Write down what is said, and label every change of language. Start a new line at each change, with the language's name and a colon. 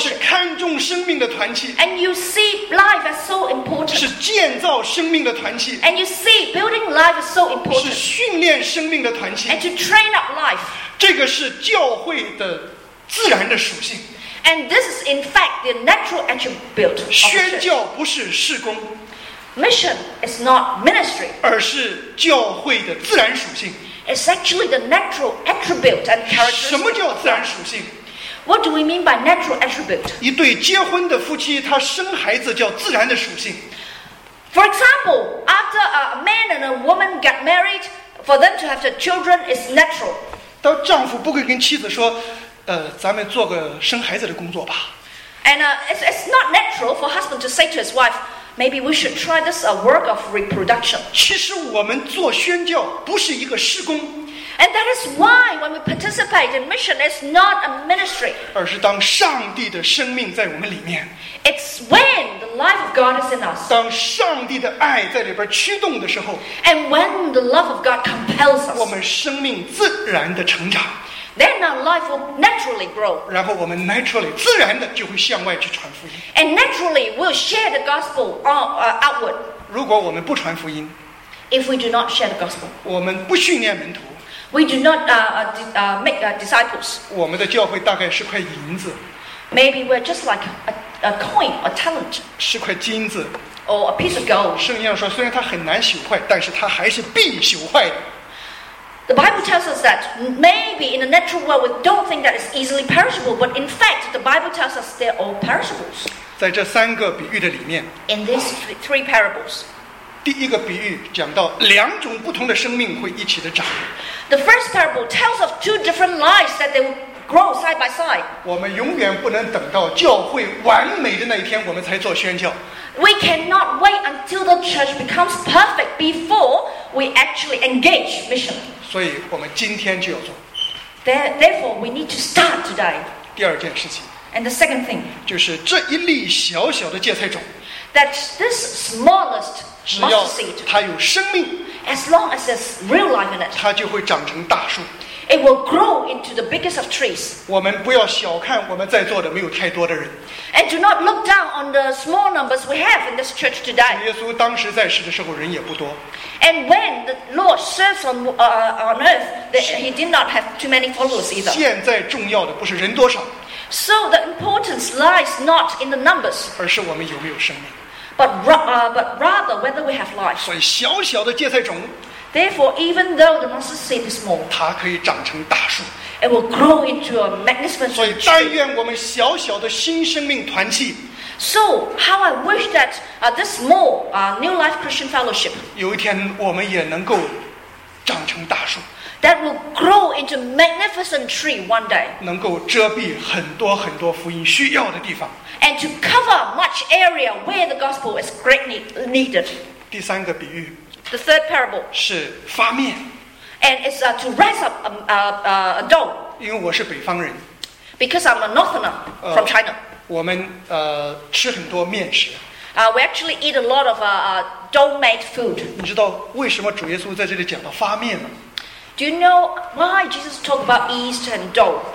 Chinese: 是看重生命的团契。
English: And you see life as so important.
Chinese: 是建造生命的团契。
English: And you see building life is so important.
Chinese: 是训练生命的团契。
English: And to train up life.
Chinese: 这个是教会的自然的属性。
English: And this is in fact the natural attribute.
Chinese: 宣教不是事工。
English: Mission is not ministry.
Chinese: 而是教会的自然属性。
English: It's actually the natural attribute and characteristic.
Chinese: 什么叫自然属性？
English: What do we mean by natural attribute?
Chinese: 一对结婚的夫妻，他生孩子叫自然的属性。
English: For example, after a man and a woman get married, for them to have the children is natural.
Chinese: 当丈夫不会跟妻子说，咱们做个生孩子的工作吧。
English: And it's not natural for husband to say to his wife. Maybe we should try this a work of reproduction.
Chinese: 其实我们做宣教不是一个事工。
English: And that is why when we participate in mission, it's not a ministry.
Chinese: 而是当上帝的生命在我们里面。
English: It's when the life of God is in us.
Chinese: 当上帝的爱在里边驱动的时候。
English: And when the love of God compels us.
Chinese: 我们生命自然的成长。
English: Then our life will naturally grow.
Chinese: 然后我们 naturally 自然的就会向外去传福音。
English: And naturally we'll share the gospel outward.
Chinese: 如果我们不传福音，
English: if we do not share the gospel,
Chinese: 我们不训练门徒，
English: we do not make disciples.
Chinese: 我们的教会大概是块银子，
English: maybe we're just like a coin, a talent.
Chinese: 是块金子，
English: or a piece of gold.
Chinese: 圣经上说，虽然它很难朽坏，但是它还是必朽坏的。
English: The Bible tells us that maybe in the natural world we don't think that it's easily perishable, but in fact the Bible tells us they're all perishables.
Chinese: 在这三个比喻的里面，
English: in these three parables,
Chinese: 第一个比喻讲到两种不同的生命会一起的长。
English: The first parable tells of two different lives that they will grow side by side.
Chinese: 我们永远不能等到教会完美的那一天，我们才做宣教。
English: We cannot wait until the church becomes perfect before we actually engage mission.
Chinese: 所以我们今天就要做。
English: Therefore, we need to start today.
Chinese: 第二件事情。
English: And the second thing.
Chinese: 就是这一粒小小的芥菜种。
English: That this smallest mustard seed.
Chinese: 它有生命。
English: As long as there's real life in it.
Chinese: 它就会长成大树。
English: It will grow into the biggest of trees.
Chinese: 我们不要小看我们在座的没有太多的人。
English: And do not look down on the small numbers we have in this church today.
Chinese: 耶稣当时在世的时候人也不多。
English: And when the Lord serves on earth, he did not have too many followers either.
Chinese: 现在重要的不是人多少。
English: So the importance lies not in the numbers.
Chinese: 而是我们有没有生命。
English: But rather whether we have life.
Chinese: 所以小小的芥菜种。
English: Therefore, even though the mustard seed is small,
Chinese: 它可以长成大树。
English: It will grow into a magnificent tree.
Chinese: 所以，但愿我们小小的新生命团契。
English: So, how I wish that this small New Life Christian Fellowship,
Chinese: 有一天我们也能够长成大树。
English: That will grow into a magnificent tree one day.
Chinese: 能够遮蔽很多很多福音需要的地方。
English: And to cover much area where the gospel is greatly needed.
Chinese: 第三个比喻。
English: The third parable
Chinese: 是发面
English: and it's to rise up a dough.
Chinese: 因为我是北方人
English: because I'm a northerner from China.
Chinese: 我们吃很多面食
English: we actually eat a lot of dough made food.
Chinese: 你知道为什么主耶稣在这里讲到发面吗？
English: Do you know why Jesus talked about yeast and dough?